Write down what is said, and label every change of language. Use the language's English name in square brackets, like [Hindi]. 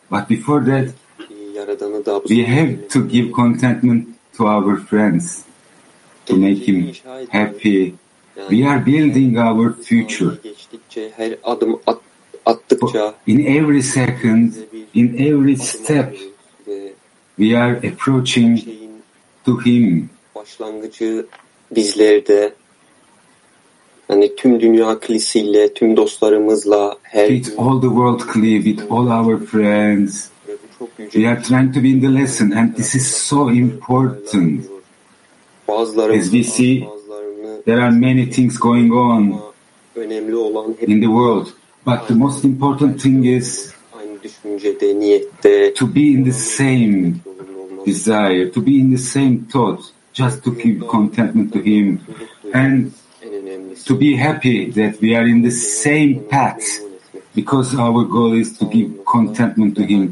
[English] But before that, we have to give contentment to our friends to make Him happy. We are building our future. In every second, in every step, we are approaching to Him. [Turkish] Başlangıcı bizlerde, yani tüm dünya kilisiyle, tüm dostlarımızla, her [English] with all the world kli, with all our friends, we are trying to be in the lesson, and this is so important. As we see, there are many things going on in the world. But the most important thing is to be in the same desire, to be in the same thought, just to give contentment to Him and to be happy that we are in the same path, because our goal is to give contentment to Him.